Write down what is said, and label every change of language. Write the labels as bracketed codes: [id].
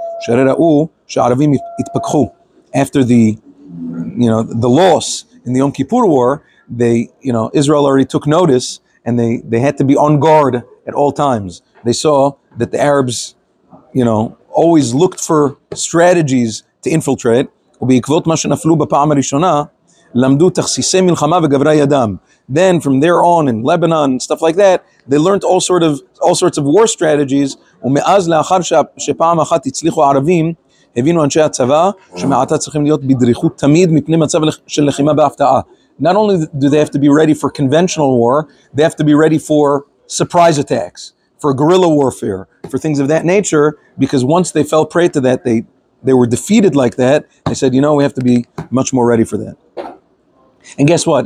[he] שראו שערבים התפכחו. [en] After the, you know, the loss in the Yom Kippur War, they, you know, Israel already took notice, and they had to be on guard at all times. They saw that the Arabs, you know, always looked for strategies to infiltrate. [he] ובעקבות מה שנפלו בפעם הראשונה, למדו תכסיסי מלחמה וגברי ידם. [en] Then from there on in Lebanon and stuff like that, they learned all sorts of war strategies. [he] ומאז לאחר שפעם אחת הצליחו הערבים, הבינו אנשי הצבא שמעתה צריכים להיות בדריכות תמיד מפני מצב של לחימה בהפתעה. [en] Not only do they have to be ready for conventional war, they have to be ready for surprise attacks, for guerrilla warfare, for things of that nature, because once they fell prey to that, they were defeated like that, they said, you know, we have to be much more ready for that. And guess what?